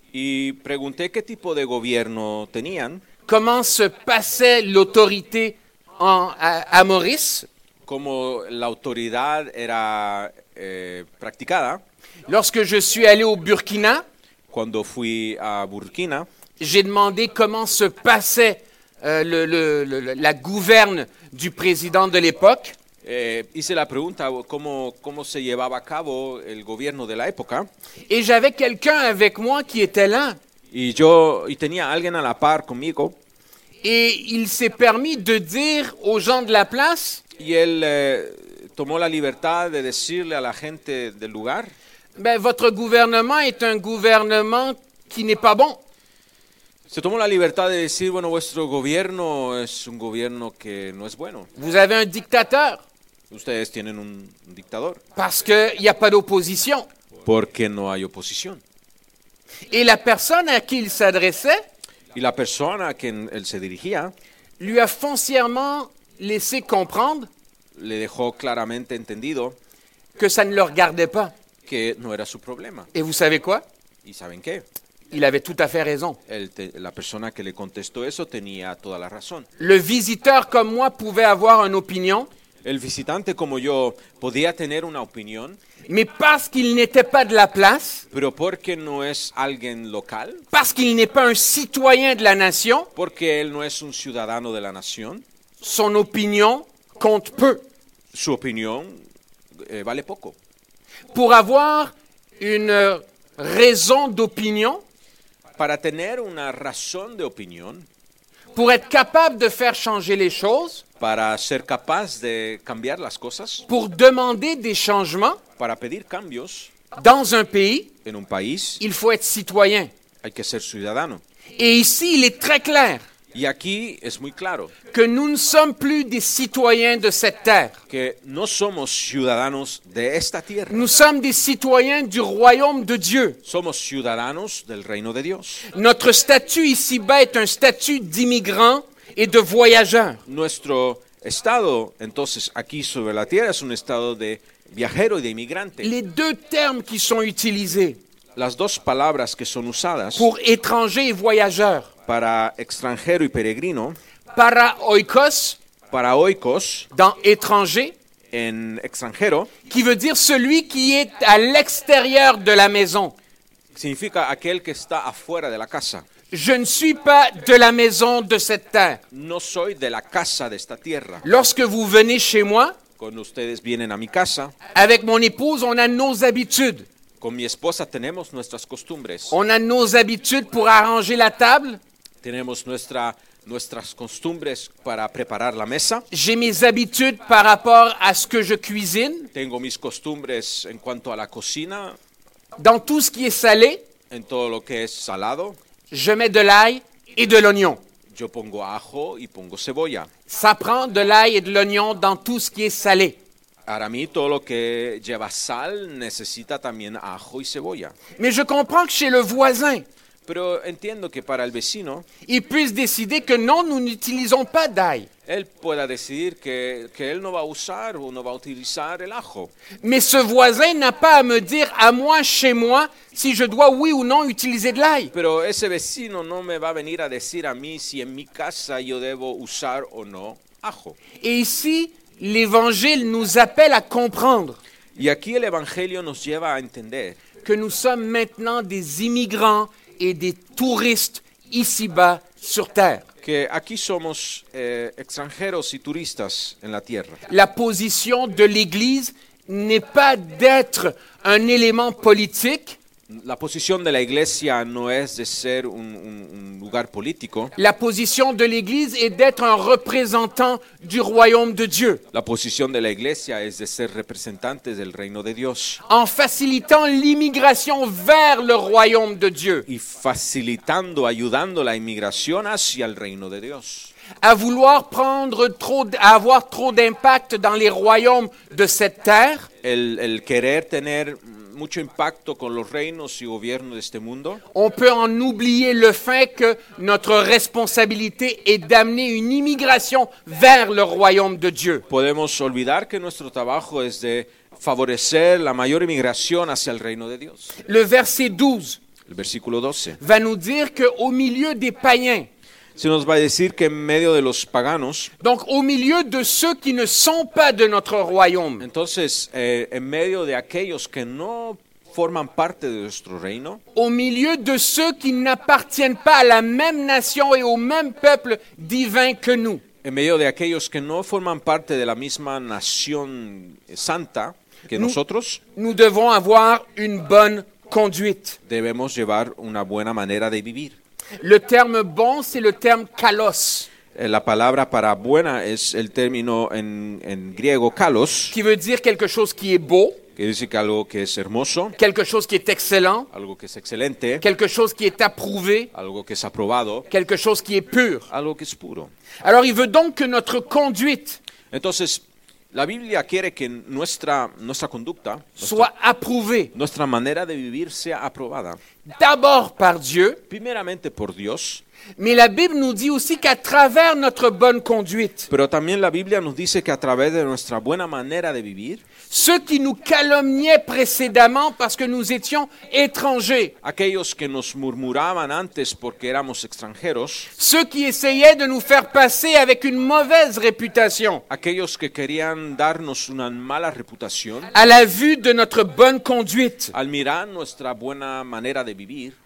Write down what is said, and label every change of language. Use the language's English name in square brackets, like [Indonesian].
[Spanish] Y pregunté qué tipo de gobierno tenían. [French] Comment se passait l'autorité à Maurice? [Spanish] Como la autoridad era practicada. [French] Lorsque je suis allé au Burkina, [Spanish] cuando fui a Burkina, [French] j'ai demandé comment se passait la gouverne du président de l'époque. [Spanish] Hice la pregunta cómo se llevaba a cabo el gobierno de la época. [French] Et j'avais quelqu'un avec moi qui était là. [Spanish] Y tenía alguien a la par conmigo. [French] Et il s'est permis de dire aux gens de la place. [Spanish] Y él tomó la libertad de decirle a la gente del lugar. [French] Ben, votre gouvernement est un gouvernement qui n'est pas bon. [Spanish] Se tomó la libertad de decir, bueno, vuestro gobierno es un gobierno que no es bueno. [French] Vous avez un dictateur. [Spanish] Ustedes tienen un dictador. [French] Parce que il y a pas d'opposition. [Spanish] Porque no hay oposición. [French] Et la personne à qui il s'adressait, [Spanish] y la persona a quien él se dirigía, [French] lui a foncièrement laissé comprendre, [Spanish] le dejó claramente entendido, [French] que ça ne le regardait pas, [Spanish] que no era su problema. [French] Et vous savez quoi? [Spanish] ¿Y saben qué? [French] Il avait tout à fait raison. [Spanish] La persona que le contestó eso tenía toda la razón. [French] Le visiteur comme moi pouvait avoir une opinion. [Spanish] El visitante como yo podía tener una opinión. [French] Mais parce qu'il n'était pas de la place. [Spanish] Pero porque no es alguien local. [French] Parce qu'il n'est pas un citoyen de la nation. [Spanish] Porque él no es un ciudadano de la nación. [French] Son opinión compte peu. [Spanish] Su opinión vale poco. [French] Pour avoir une raison d'opinion, [Spanish] para tener una razón de opinión, [French] pour être capable de faire changer les choses, [Spanish] para ser capaz de cambiar las cosas, [French] pour demander des changements, [Spanish] para pedir cambios, [French] dans un pays, [Spanish] en un país, [French] il faut être citoyen. [Spanish] Hay que ser ciudadano. [French] Et ici, il est très clair. [Spanish] Y aquí es muy claro [French] que nous ne sommes plus des citoyens de cette terre. [Spanish] Que no somos ciudadanos de esta tierra. [French] Nous sommes des citoyens du royaume de Dieu. [Spanish] Somos ciudadanos del reino de Dios. [French] Notre statut ici-bas est un statut d'immigrant et de voyageur. [Spanish] Nuestro estado entonces aquí sobre la tierra es un estado de viajero y de inmigrante. [French] Les deux termes qui sont utilisés. [Spanish] Las dos palabras que son usadas. [French] Pour étranger et voyageur. [Spanish] Para extranjero y peregrino, para [French] oikos, dans étranger, [Spanish] en extranjero, [French] qui veut dire celui qui est à l'extérieur de la maison. [Spanish] Significa aquel que está afuera de la casa. [French] Je ne suis pas de la maison de cette terre. [Spanish] No soy de la casa de esta tierra. [French] Lorsque vous venez chez moi, [Spanish] cuando ustedes vienen a mi casa, [French] avec mon épouse, on a nos habitudes. [Spanish] Con mi esposa tenemos nuestras costumbres. [French] On a nos habitudes pour arranger la table. [Spanish] Tenemos nuestras costumbres para preparar la mesa. [French] J'ai mes habitudes par rapport à ce que je cuisine. [Spanish] Tengo mis costumbres en cuanto a la cocina. [French] Dans tout ce qui est salé. [Spanish] En todo lo que es salado. [French] Je mets de l'ail et de l'oignon. [Spanish] Yo pongo ajo y pongo cebolla. [French] Ça prend de l'ail et de l'oignon dans tout ce qui est salé. [Spanish] Para mí, todo lo que lleva sal necesita también ajo y cebolla. [French] Mais je comprends que chez le voisin, [Spanish] pero entiendo que para el vecino, [French] il puisse décider que non, nous n'utilisons pas d'ail. [Spanish] Él pueda decidir que él no va a usar o no va a utilizar el ajo. [French] Mais ce voisin n'a pas à me dire à moi, chez moi, si je dois oui ou non utiliser de l'ail. [Spanish] Pero ese vecino no me va a venir a decir a mí si en mi casa yo debo usar o no ajo. [French] Et ici, l'Évangile nous appelle à comprendre. [Spanish] Y aquí el Evangelio nos lleva a entender [French] que nous sommes maintenant des immigrants et des touristes ici-bas sur terre. [Spanish] Que aquí somos extranjeros y turistas en la tierra. [French] La position de l'Église n'est pas d'être un élément politique. [Spanish] La posición de la Iglesia no es de ser un lugar político. La posición de la Iglesia es [French] d'être un representante du royaume de Dieu. [Spanish] La posición de la Iglesia es de ser representante del reino de Dios. [French] En facilitant l'immigration vers le royaume de Dieu. [Spanish] Y facilitando, ayudando la inmigración hacia el reino de Dios. [French] À vouloir prendre trop, à avoir trop d'impact dans les royaumes de cette terre. [Spanish] El querer tener mucho impacto con los reinos y gobiernos de este mundo. [French] On peut en oublier le fait que notre responsabilité est d'amener une immigration vers le royaume de Dieu. [Spanish] Podemos olvidar que nuestro trabajo es de favorecer la mayor inmigración hacia el reino de Dios. [French] Le verset 12. [Spanish] El versículo 12. [French] Va nous dire que au milieu des païens. [Spanish] Se nos va a decir que en medio de los paganos. [French] Donc au milieu de ceux qui ne sont pas de notre royaume. [Spanish] Entonces, en medio de aquellos que no forman parte de nuestro reino. [French] Au milieu de ceux qui n'appartiennent pas à la même nation et au même peuple divin que nous. [Spanish] En medio de aquellos que no forman parte de la misma nación santa que [French] nous, [Spanish] nosotros. [French] Nous devons avoir une bonne conduite. [Spanish] Debemos llevar una buena manera de vivir. [French] Le terme bon, c'est le terme kalos. [Spanish] La palabra para buena es el término en griego kalos. [French] Qui veut dire quelque chose qui est beau. [Spanish] Que dice que algo que es hermoso. [French] Quelque chose qui est excellent. [Spanish] Algo que es excelente. [French] Quelque chose qui est approuvé. [Spanish] Algo que es aprobado. [French] Quelque chose qui est pur. [Spanish] Algo que es puro. [French] Alors il veut donc que notre conduite. [Spanish] Entonces, la Biblia quiere que nuestra conducta. [French] Soit approuvée. [Spanish] Nuestra manera de vivir sea aprobada. [French] D'abord par Dieu, [Spanish] primeramente por Dios, [French] mais la Bible nous dit aussi qu'à travers notre bonne conduite, [Spanish] pero también la Biblia nos dice que a través de nuestra buena manera de vivir, [French] ceux qui nous calomniaient précédemment parce que nous étions étrangers, [Spanish] aquellos que nos murmuraban antes porque éramos extranjeros, [French] ceux qui essayaient de nous faire passer avec une mauvaise réputation, [Spanish] aquellos que querían darnos una mala reputación, [French] à la vue de notre bonne conduite, [Spanish] al mirar nuestra buena manera de vivir,